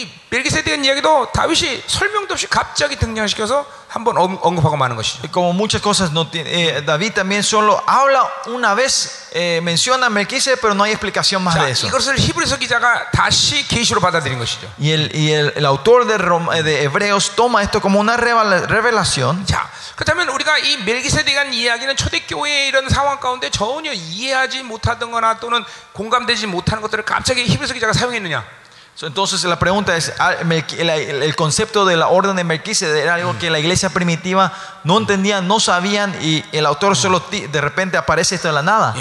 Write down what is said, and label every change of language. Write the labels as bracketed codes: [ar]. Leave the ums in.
[ko] 멜기세덱은 이야기도 다윗이 설명도 없이 갑자기 등장시켜서 한번 언급하고 마는 것이죠. [es] Como muchas cosas no tiene, eh, David también solo habla una vez eh, menciona m e l q u i s e d e pero no hay explicación más 자, de eso. [ko] 이것을 히브리서 기자가 다시 계시로 받아들인 것이죠. [es] Y el y el, el autor de, Roma, de Hebreos toma esto como una revelación. [ko] 자, 그렇다면 우리가 이 멜기세덱한 이야기는 초대교회 이런 상황 가운데 전혀 이해하지 못하던거나 또는 공감되지 못하는 것들을 갑자기 히브리서 기자가 사용했느냐? [es] Entonces la pregunta es, el concepto de la orden de Melquisedec era algo que la iglesia primitiva no entendía, no sabían y el autor solo de repente aparece esto de la nada.